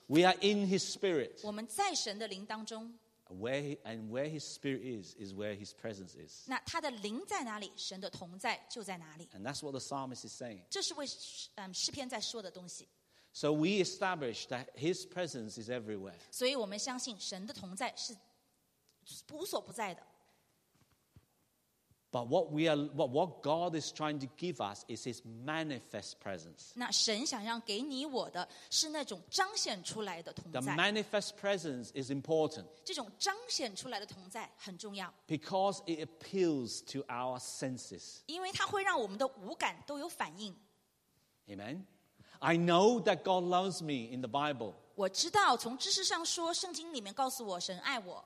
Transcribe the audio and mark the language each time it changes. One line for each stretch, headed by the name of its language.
English: We are in His Spirit.
Chinese: 我们在神的灵当中。
English: Where His Spirit is where His presence is.
Chinese: 那他的灵在哪里，神的同在就在哪里。
English: And that's what the psalmist is saying.
Chinese: 这是为诗篇在说的东西。
English: So we establish that His presence is everywhere.
Chinese: 所以我们相信神的同在是无所不在的。
English: But what God is trying to give us is His manifest presence.
Chinese: 那神想让给你我的是那种彰显出来的同在。
English: The manifest presence is important.
Chinese: 这种彰显出来的同在很重要。
English: Because it appeals to our senses.
Chinese: 因为它会让我们的五感都有反应。
English: Amen. I know that God loves me in the Bible.
Chinese: 我知道从知识上说圣经里面告诉我神爱我。